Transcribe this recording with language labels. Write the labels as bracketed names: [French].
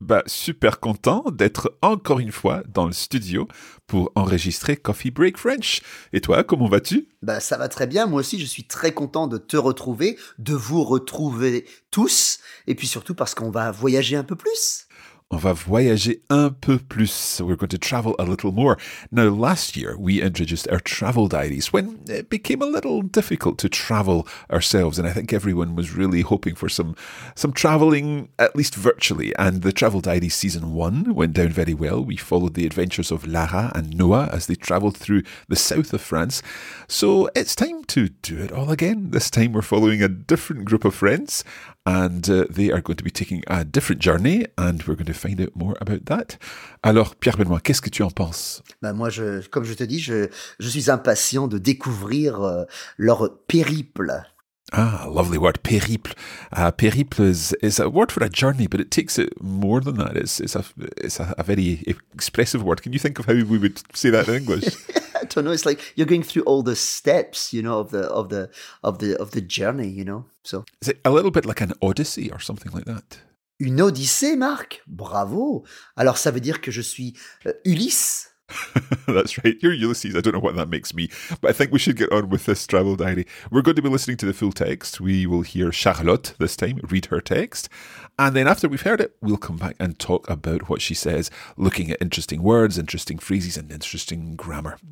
[French] Bah, super content d'être encore une fois dans le studio pour enregistrer Coffee Break French. Et toi, comment vas-tu ? Bah, ça va très bien. Moi aussi, je suis très content de te retrouver, de vous retrouver tous. Et puis surtout parce qu'on va voyager un peu plus. On va voyager un peu plus. [English] We're going to travel a little more. Now, last year, we introduced our travel diaries when it became a little difficult to travel ourselves. And I think everyone was really hoping for some traveling, at least virtually. And the travel diaries season one went down very well. We followed the adventures of Lara and Noah as they traveled through the south of France. So it's time to do it all again. This time, we're following a different group of friends. And they are going to be taking a different journey, and we're going to find out more about that. [French] Alors, Pierre Benoît, qu'est-ce que tu en penses? Ben moi, comme je te dis, je suis impatient de découvrir leur périple. [English] Ah, lovely word, périple. Périple is a word for a journey, but it takes it more than that. It's a very expressive word. Can you think of how we would say that in English? I don't know. It's like you're going through all the steps, you know, of the journey, you know. So is it a little bit like an odyssey or something like that? [French] Une odyssée, Marc. Bravo. Alors ça veut dire que je suis Ulysse. [English] That's right. You're Ulysses. I don't know what that makes me, but I think we should get on with this travel diary. We're going to be listening to the full text. We will hear Charlotte this time read her text. And then after we've heard it, we'll come back and talk about what she says, looking at interesting words, interesting phrases, and interesting grammar.